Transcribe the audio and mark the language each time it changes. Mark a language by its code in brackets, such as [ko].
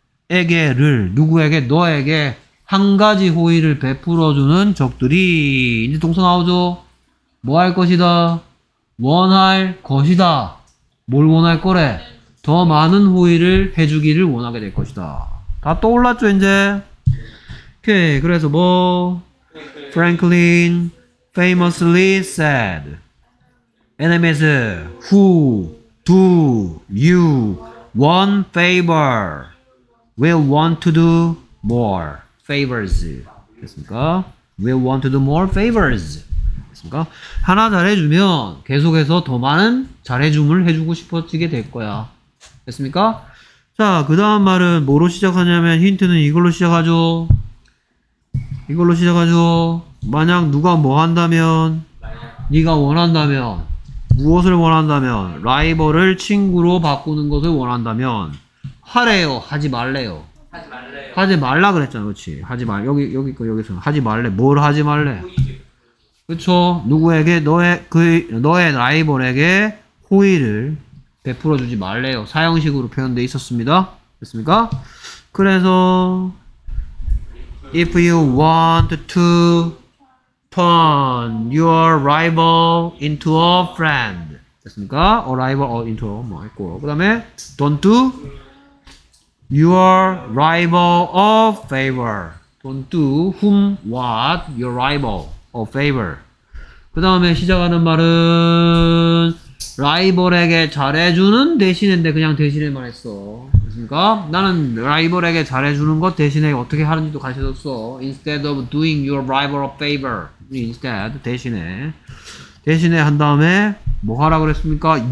[ko] 에게를, 누구에게? 너에게 한 가지 호의를 베풀어주는 적들이. 이제 동서 나오죠? 뭐 할 것이다? 원할 것이다. 뭘 원할 거래? 더 많은 호의를 해주기를 원하게 될 것이다. 다 떠올랐죠, 이제? 오케이, 그래서 뭐? [en] Franklin famously said, enemies who do you one favor will want to do more favors. [ko] 됐습니까? [en] Will want to do more favors. [ko] 됐습니까? 하나 잘해주면 계속해서 더 많은 잘해줌을 해주고 싶어지게 될 거야. 됐습니까? 자, 그 다음 말은 뭐로 시작하냐면 힌트는 이걸로 시작하죠. 이걸로 시작하죠. 만약 누가 뭐 한다면, 네가 원한다면, 무엇을 원한다면, 라이벌을 친구로 바꾸는 것을 원한다면, 하래요, 하지 말래요. 하지 말래요. 하지 말라 그랬잖아, 그렇지? 하지 말. 여기 거 여기서 하지 말래. 뭘 하지 말래? 그렇죠. 누구에게 너의 라이벌에게 호의를 베풀어 주지 말래요. 사형식으로 표현돼 있었습니다. 됐습니까? 그래서 [en] if you want to turn your rival into a friend. [ko] 됐습니까? [en] A rival or into a [ko] 뭐 했고. 그다음에 [en] don't do your rival a favor. Don't do whom what your rival a favor. [ko] 그다음에 시작하는 말은 라이벌에게 잘해주는 대신인데 그냥 대신에 말했어. 됐습니까? 나는 라이벌에게 잘해주는 것 대신에 어떻게 하는지도 가르쳐줬어. [en] Instead of doing your rival a favor. Instead, [ko] 대신에 한 다음에 뭐 하라 그랬습니까?